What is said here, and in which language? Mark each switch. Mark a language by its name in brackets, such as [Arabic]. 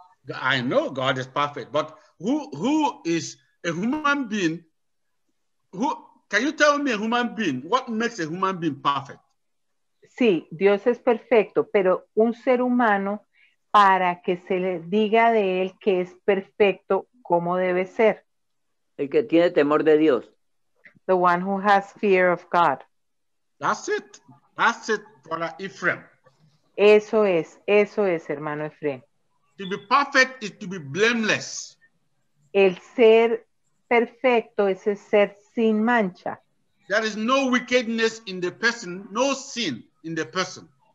[English] I know God is perfect, but who is a human being? Who can you tell me a human being? What makes a human being perfect? [Spanish] Sí, Dios es perfecto, pero un ser humano para que se le diga de él que es perfecto, ¿cómo debe ser? El que tiene temor de Dios. [English] The one who has fear of God. That's it. That's it, brother Ephraim. [Spanish] Eso es, hermano Efraín. [English] To be perfect is to be blameless. [Spanish] El ser perfecto es el ser sin mancha. [English] There is no wickedness in the person, no sin in the person.